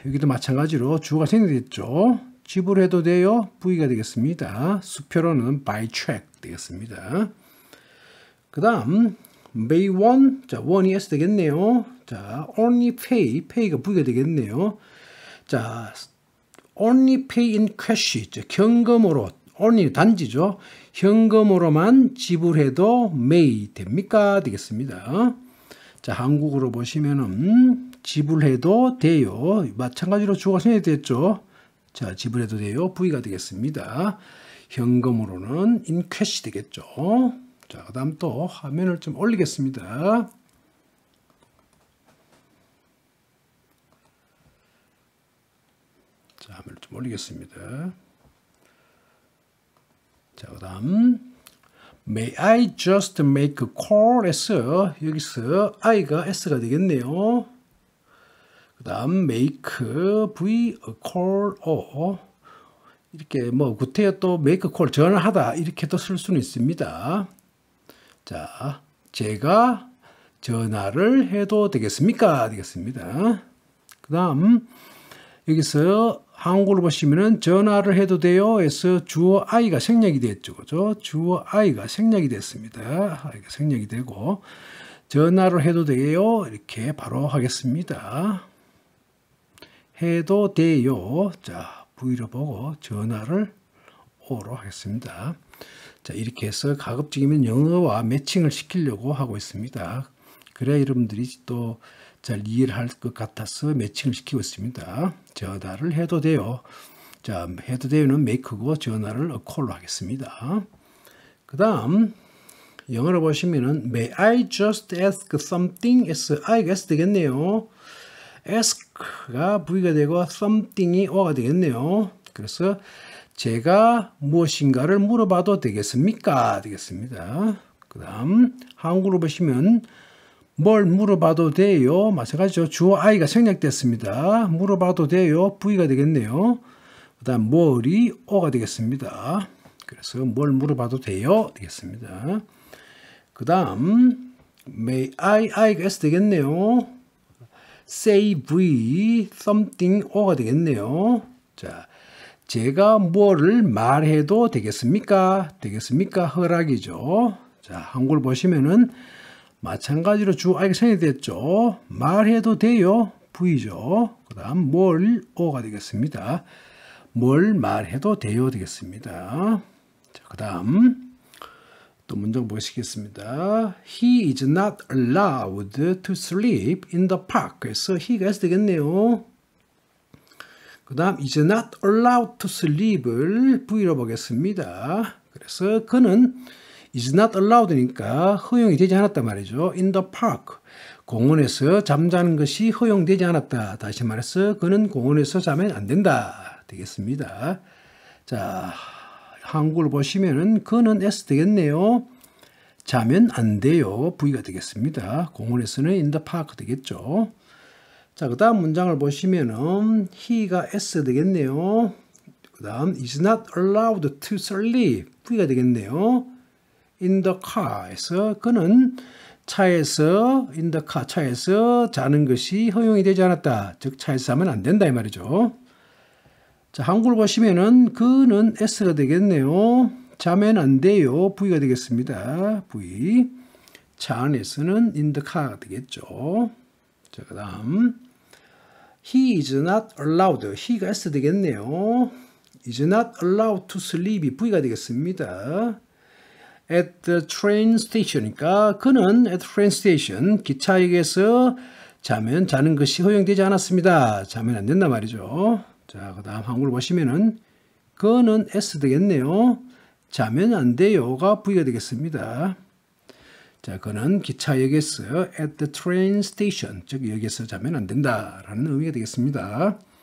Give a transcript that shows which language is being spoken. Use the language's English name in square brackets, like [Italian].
[Korean] 여기도 마찬가지로 주어가 생략됐죠. 지불해도 돼요. V가 되겠습니다. 수표로는 [English] by check [Korean] 되겠습니다. 그 다음 [English] may one, [Korean] 자, one이 S 되겠네요. 자, only pay, pay가 V가 되겠네요. [English] 자, only pay in cash, 즉 [Korean] 현금으로, [English] only [Korean] 단지죠. 현금으로만 지불해도 may 됩니까? 되겠습니다. 자, 한국으로 보시면은 지불해도 돼요. 마찬가지로 주어가 생략됐죠. 자, 지불해도 돼요. V가 되겠습니다. 현금으로는 [English] in cash [Korean] 되겠죠. 자, 그다음 또 화면을 좀 올리겠습니다. 자, 화면을 좀 올리겠습니다. 자, 그다음 [English] May I just make a call? [Korean] 에서 여기서 I가 S가 되겠네요. 그 다음 make V a call O, 이렇게 뭐 구태여 또 [English] make a call, [Korean] 전화하다 이렇게도 쓸 수는 있습니다. 자, 제가 전화를 해도 되겠습니까? 되겠습니다. 그 다음 여기서 한국어로 보시면은 전화를 해도 돼요. 에서 주어 I가 생략이 됐죠. 그죠? 주어 I가 생략이 됐습니다. I가 생략이 되고 전화를 해도 돼요. 이렇게 바로 하겠습니다. 해도 돼요. 자, V로 보고 전화를 O로 하겠습니다. 자, 이렇게 해서 가급적이면 영어와 매칭을 시키려고 하고 있습니다. 그래야 여러분들이 또 잘 이해를 할 것 같아서 매칭을 시키고 있습니다. 전화를 해도 돼요. 자, 해도 돼요는 make고 전화를 [English] a call [Korean] 로 하겠습니다. 그 다음 영어로 보시면은 [English] May I just ask something? I guess 되겠네요. [Korean] ask가 v가 되고 something이 o가 되겠네요. 그래서 제가 무엇인가를 물어봐도 되겠습니까? 되겠습니다. 그 다음 한국어로 보시면 뭘 물어봐도 돼요. 마찬가지죠. 주어 I가 생략됐습니다. 물어봐도 돼요. V가 되겠네요. 그 다음 뭘이 O가 되겠습니다. 그래서 뭘 물어봐도 돼요. 되겠습니다. 그 다음 [English] May I [Korean] 가 S 되겠네요. Say V something O가 되겠네요. 자, 제가 뭐를 말해도 되겠습니까? 되겠습니까? 허락이죠. 자, 한글 보시면은 마찬가지로 주 I가 생략됐죠. 말해도 돼요. V죠. 그 다음 뭘 O가 되겠습니다. 뭘 말해도 돼요 되겠습니다. 자, 그 다음 또 문장 보시겠습니다. [English] He is not allowed to sleep in the park. [Korean] 그래서 he가 S 되겠네요. 그 다음 [English] is not allowed to sleep [Korean] 을 V로 보겠습니다. 그래서 그는 [English] is not allowed [Korean] 니까 허용이 되지 않았단 말이죠. [English] In the park, [Korean] 공원에서 잠자는 것이 허용되지 않았다. 다시 말해서 그는 공원에서 자면 안 된다. 되겠습니다. 자, 한글 보시면은 그는 S 되겠네요. 자면 안 돼요. V가 되겠습니다. 공원에서는 [English] in the park [Korean] 되겠죠. 자, 그 다음 문장을 보시면은 He가 S 되겠네요. 그 다음 [English] is not allowed to sleep. [Korean] V가 되겠네요. [English] In the car [Korean] 에서 그는 차에서 [English] in the car [Korean] 차에서 자는 것이 허용이 되지 않았다. 즉 차에서 자면 안 된다 이 말이죠. 자, 한글 보시면은 그는 S가 되겠네요. 자면 안 돼요. V가 되겠습니다. V 차 안에서는 [English] in the car [Korean] 가 되겠죠. 자, 그다음 [English] He is not allowed. [Korean] He가 S 되겠네요. [English] Is not allowed to sleep이 [Korean] V가 되겠습니다. [English] At the train station [Korean] 이니까 그는 [English] at the train station [Korean] 기차역에서 자면 자는 것이 허용되지 않았습니다. 자면 안 된다 말이죠. 자, 그 다음 한글 보시면은 그는 S 되겠네요. 자면 안 돼요가 V가 되겠습니다. 자, 그는 기차역에서 [English] at the train station [Korean] 즉 여기에서 자면 안 된다라는 의미가 되겠습니다.